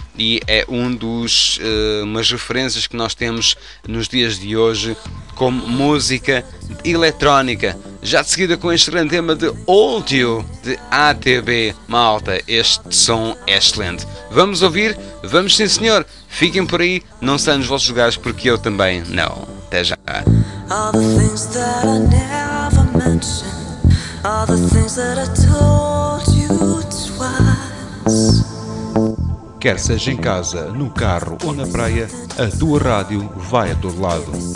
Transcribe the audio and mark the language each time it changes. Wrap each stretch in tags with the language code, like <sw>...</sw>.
<pt>E é umas referências que nós temos nos dias de hoje como música eletrónica. Já de seguida com este grande tema de Old You, de ATB. Malta, este som é excelente. Vamos ouvir? Vamos, sim senhor. Fiquem por aí, não saiam dos vossos lugares, porque eu também não. Até já.</pt> <en>All the things that I never mentioned, all the things that I told you twice.</en> <pt>Quer seja em casa, no carro ou na praia, a tua rádio vai a todo lado.</pt>